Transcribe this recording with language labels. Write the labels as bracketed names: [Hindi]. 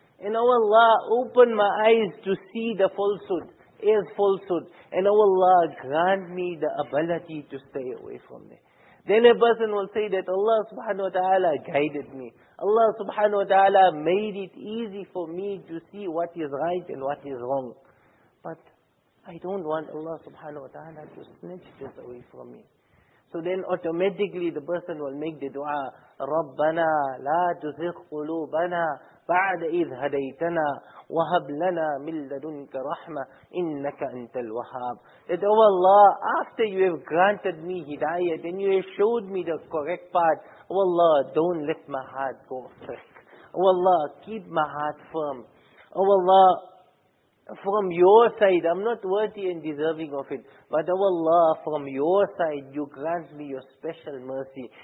[English] And oh Allah, open my eyes to see the falsehood, is falsehood, and oh Allah, grant me the ability to stay away from it. Then a person will say that Allah subhanahu wa ta'ala guided me. Allah subhanahu wa ta'ala made it easy for me to see what is right and what is wrong. But I don't want Allah subhanahu wa ta'ala to snatch this away from me. So then automatically the person will make the dua, [Arabic] رَبَّنَا لَا تُزِغْ قُلُوبَنَا بَعْدَ إِذْ هَدَيْتَنَا وَهَبْ لَنَا مِنْ لَدُنْكَ رَحْمَةٍ إِنَّكَ أَنْتَ الْوَهَّابُ. [English] That, oh Allah, after you have granted me hidayah, then you have showed me the correct path, oh Allah, don't let my heart go astray. Oh Allah, keep my heart firm. Oh Allah, from your side, I'm not worthy and deserving of it, but oh Allah, from your side, you grant me your special mercy.